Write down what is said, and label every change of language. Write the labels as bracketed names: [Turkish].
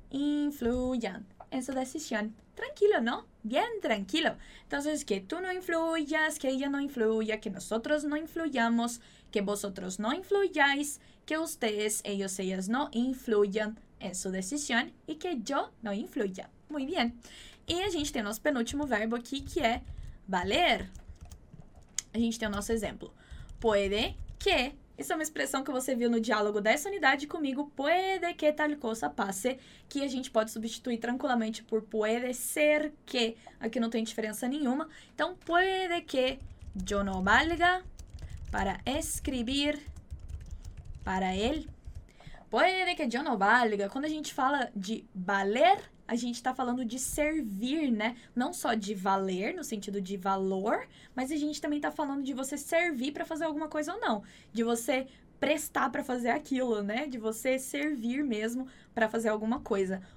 [Spanish] Influyan en su decisión. Tranquilo, ¿no? Bien, tranquilo. Entonces, que tú no influyas, que ella no influya, que nosotros no influyamos, que vosotros no influyáis, que ustedes, ellos, ellas, no influyan en su decisión y que yo no influya. Muy bien. [Portuguese] E a gente tem o nosso penúltimo verbo aqui, que é valer. A gente tem o nosso exemplo. Puede que, isso é uma expressão que você viu no diálogo dessa unidade comigo, [Spanish] puede que tal cosa pase, [Portuguese] que a gente pode substituir tranquilamente por [Spanish] puede ser que, [Portuguese] aqui não tem diferença nenhuma. [Spanish] Então, puede que yo no valga para escribir para él. Puede que yo no valga. [Portuguese] Quando a gente fala de valer, a gente está falando de servir, né? Não só de valer, no sentido de valor, mas a gente também está falando de você servir para fazer alguma coisa ou não. De você prestar para fazer aquilo, né? De você servir mesmo para fazer alguma coisa.